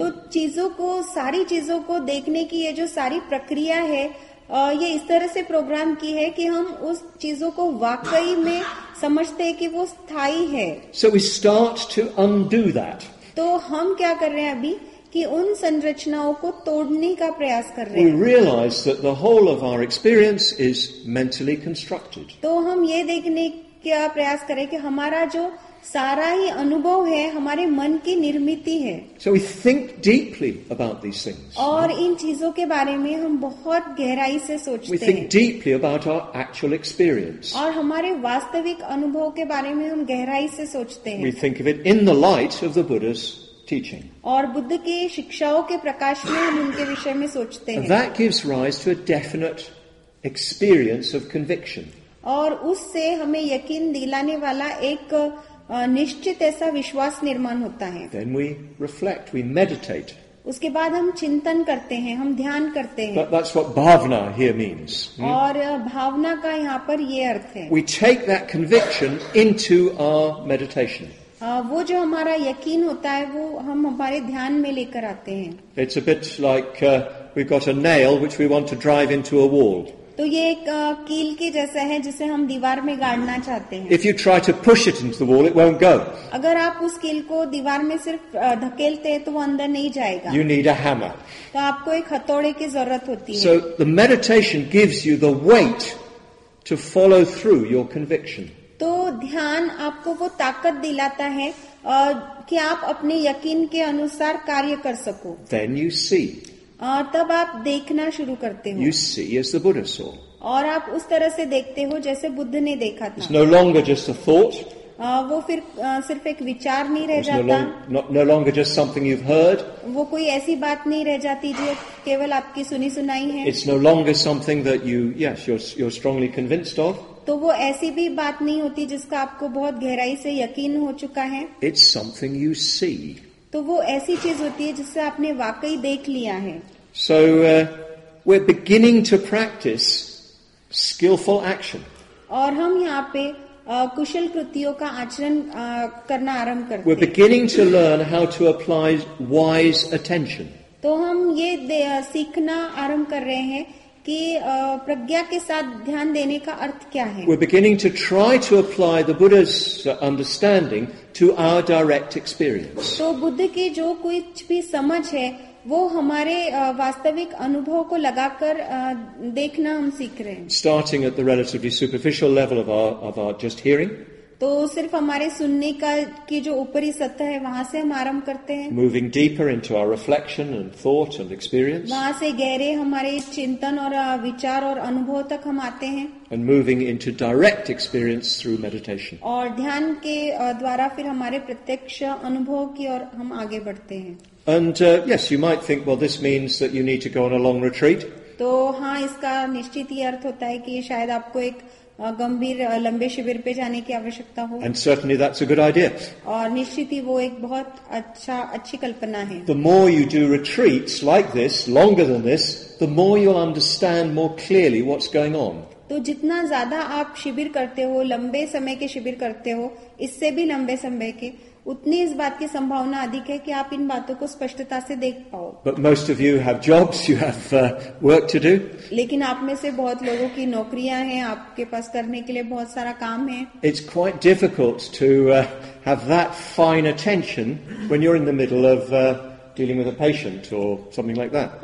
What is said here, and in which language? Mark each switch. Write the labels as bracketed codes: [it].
[hi] तो चीजों को, सारी चीजों को देखने की ये जो सारी प्रक्रिया है ये इस तरह से प्रोग्राम की है कि हम उस चीजों को वाकई में समझते हैं कि वो स्थाई है. [en] So we start to undo that. [hi] तो हम क्या कर रहे हैं अभी कि उन संरचनाओं को तोड़ने का प्रयास कर रहे हैं. [en] We realize that the whole of our experience is mentally constructed. [hi] तो हम ये देखने का प्रयास करें कि हमारा जो सारा ही अनुभव है हमारे मन की निर्मिति है. [en] So we think deeply about these things. [hi] और इन चीजों के बारे में हम बहुत गहराई से सोचते हैं. [en] We think deeply about our actual experience. [hi] और हमारे वास्तविक अनुभव के बारे में हम गहराई से सोचते हैं. [en] We think of it in the light of the Buddha's teaching. [hi] और बुद्ध के शिक्षाओं के प्रकाश में हम उनके विषय में सोचते हैं. [en] That gives rise to a definite experience of conviction. [hi] और उससे हमें यकीन दिलाने वाला एक निश्चित ऐसा विश्वास निर्माण होता है. [en] Then we reflect, we meditate. [hi] उसके बाद हम चिंतन करते हैं, हम ध्यान करते हैं. [en] That's what bhavana here means. [hi] और भावना का यहाँ पर ये अर्थ है. [en] We take that conviction into our meditation. [hi] वो जो हमारा यकीन होता है वो हम हमारे ध्यान में लेकर आते हैं. [en] It's a bit like we've got a nail which we want to drive into a wall. [hi] तो ये एक कील के जैसा है जिसे हम दीवार में गाड़ना चाहते हैं. [en] If you try to push it into the wall, it won't go. [hi] अगर आप उस कील को दीवार में सिर्फ धकेलते हैं तो वो अंदर नहीं जाएगा. [en] You need a hammer. [hi] तो आपको एक हथौड़े की जरूरत होती है. [en] So the meditation gives you the weight to follow through your conviction. [hi] तो ध्यान आपको वो ताकत दिलाता है कि आप अपने यकीन के अनुसार कार्य कर सको. [en] Then you see. [hi] तब आप देखना शुरू करते हो. [en] You see as the Buddha saw. [hi] और आप उस तरह से देखते हो जैसे बुद्ध ने देखा था. [en] It's no longer just a thought. [hi] वो फिर सिर्फ एक विचार नहीं रह जाता. [en] No longer just something you've heard. [hi] वो कोई ऐसी बात नहीं रह जाती जो केवल आपकी सुनी सुनाई है. [en] It's no longer something that you, yes, you're strongly convinced of. [hi] तो वो ऐसी भी बात नहीं होती जिसका आपको बहुत गहराई से यकीन हो चुका है. [en] It's something you see. [hi] तो वो ऐसी चीज होती है जिससे आपने वाकई देख लिया है. [en] So we are beginning to practise skilful action. [hi] और हम यहाँ पे कुशल कृतियों का आचरण करना आरंभ करते हैं. [en] We are beginning to learn how to apply wise attention. [hi] तो हम ये सीखना आरंभ कर रहे हैं कि प्रज्ञा के साथ ध्यान देने का अर्थ क्या है. [en] We are beginning to try to apply the Buddha's understanding to our direct experience. [hi] तो बुद्ध की जो कुछ भी समझ है वो हमारे वास्तविक अनुभव को लगाकर देखना हम सीख रहे हैं. [en] Starting at the relatively superficial level of our just hearing. [hi] तो सिर्फ हमारे सुनने का की जो ऊपरी सतह है वहाँ से हम आरंभ करते हैं. [en] Moving deeper into our reflection and thought and experience. [hi] वहाँ से गहरे हमारे चिंतन और विचार और अनुभव तक हम आते हैं. [en] And moving into direct experience through meditation. [hi] और ध्यान के द्वारा फिर हमारे प्रत्यक्ष अनुभव की ओर हम आगे बढ़ते हैं. [en] And yes, you might think, well, this means that you need to go on a long retreat. [hi] तो हाँ, इसका निश्चित ही अर्थ होता है कि शायद आपको एक गंभीर लंबे शिविर पे जाने की आवश्यकता हो. [en] And certainly that's a good idea. [hi] और निश्चित ही वो एक बहुत अच्छी कल्पना है. [en] The more you do retreats like this, longer than this, the more you'll understand more clearly what's going on. [hi] तो जितना ज्यादा आप शिविर करते हो, लंबे समय के शिविर करते हो, इससे भी लंबे समय के, उतनी इस बात की संभावना अधिक है कि आप इन बातों को स्पष्टता से देख पाओ. [en] But most of you have jobs, you have work to do. [hi] लेकिन आप में से बहुत लोगों की नौकरियां हैं, आपके पास करने के लिए बहुत सारा काम है. [en] It's quite difficult to have that fine attention when you're in the middle of dealing with a patient or something like that.